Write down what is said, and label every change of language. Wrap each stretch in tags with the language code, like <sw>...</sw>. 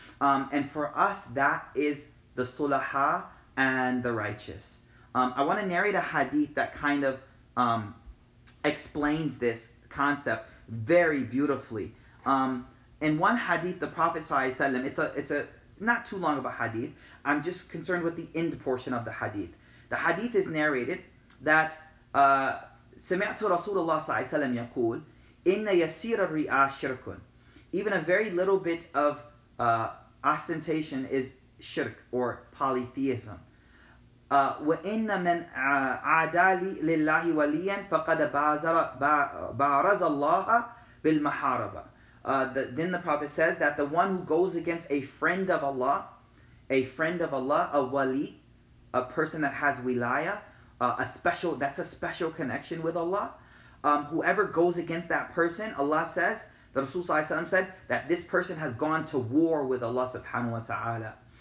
<en>And for us, that is the sulaha and the righteous. I want to narrate a hadith that kind of explains this concept very beautifully. In one hadith, the Prophet ﷺ, it's a not too long of a hadith. I'm just concerned with the end portion of the hadith. The hadith is narrated that</en> <ar>سمعت رسول الله صلى الله عليه وسلم يقول إن يسير الرياء شرك.</ar> <en>Even a very little bit of ostentation is shirk or polytheism.</en> <ar>وإن من عادى لله وليا فقد بارز الله بالمحاربة.</ar> <en>Then the Prophet says that the one who goes against a friend of Allah, a wali, a person that has wilaya, that's a special connection with Allah. Whoever goes against that person, Allah says, the Rasul Sallallahu Alaihi Wasallam said that this person has gone to war with Allah Subhanahu Wa Taala.</en>